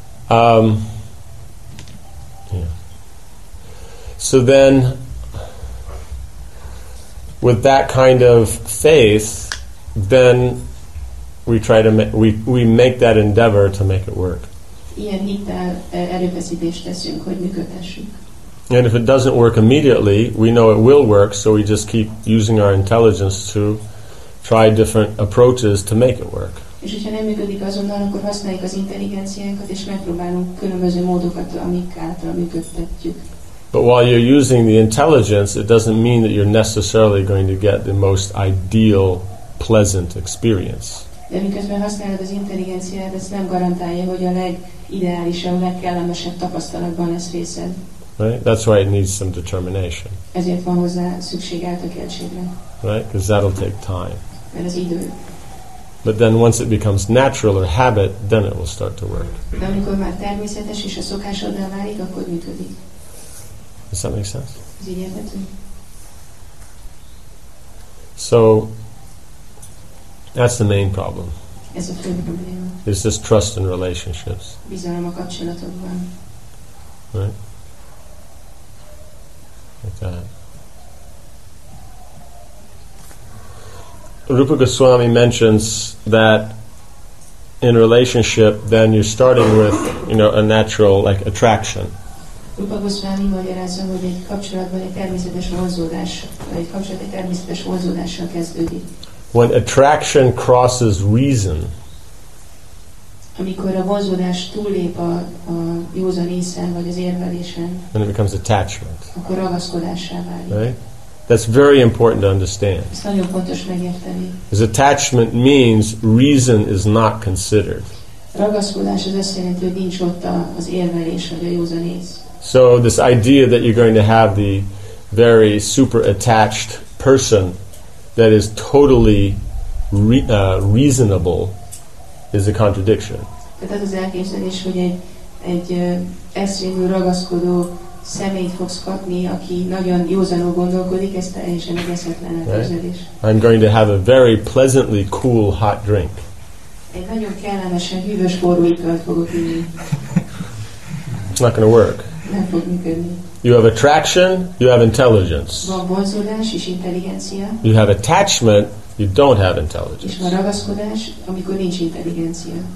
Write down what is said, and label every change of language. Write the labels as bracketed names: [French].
[English] Yeah. So then, with that kind of faith, then we try to we make that endeavor to make it work. [Hungarian] Ilyen hittel erőfeszítést teszünk, hogy működhessük. [English] And if it doesn't work immediately, we know it will work, so we just keep using our intelligence to try different approaches to make it work. [Hungarian] És hogyha nem működik azonnal, akkor használjuk az intelligenciánkat, és megpróbálunk különböző módokat, amik által működtetjük. [English] But while you're using the intelligence, it doesn't mean that you're necessarily going to get the most ideal, pleasant experience. [Hungarian] De miközben használod az intelligenciát, ez nem garantálja, hogy a legideálisabb, legkellemesebb tapasztalatban lesz részed. [English] Right? That's why it needs some determination. [Hungarian] Ezért van hozzá szükség eltökéltségre. [English] Right? Because that'll take time. [Hungarian] Mert az idő. [English] But then once it becomes natural or habit, then it will start to work. [Hungarian] De amikor már természetes és a szokásoddal válik, akkor működik. [English] Does that make sense? So that's the main problem. [Hungarian] Ez a fő probléma. [English] It's just trust in relationships. [Hungarian] Bizalom a kapcsolatokban. [English] Right? Like that. Rupa Goswami mentions that in relationship, then you're starting with, you know, a natural like attraction. [Hungarian] Rupa Goswami magyarázza, hogy egy kapcsolatban egy természetes vonzódás, vagy egy kapcsolat egy természetes vonzódással kezdődik. [English] when attraction crosses reason, [Hungarian] amikor a vonzódás túllép a józan észen vagy az érvelésen, [English] then it becomes attachment. [Hungarian] Akkor ragaszkodássá válik. [English] Right? That's very important to understand. [Hungarian] Ezt nagyon fontos megérteni. [English] Because attachment means reason is not considered. [Hungarian] Ragaszkodás az azt jelenti, hogy nincs ott az érvelés vagy a józan ész. [English] So this idea that you're going to have the very super attached person that is totally reasonable is a contradiction. [Hungarian] Tehát az az elképzelés, hogy egy eszvényű ragaszkodó személyt fogsz kapni, aki nagyon józanul gondolkodik, ez teljesen egészetlen elképzelés. [English] I'm going to have a very pleasantly cool hot drink. [Hungarian] Egy nagyon kellemesen hűvös forró italt fogok inni. [English] It's not going to work. [Hungarian] Nem fog működni. [English] You have attraction, you have intelligence. [Hungarian] Van vonzódás és intelligencia. [English] You have attachment, you don't have intelligence. [Hungarian] És van ragaszkodás, amikor nincs intelligencia.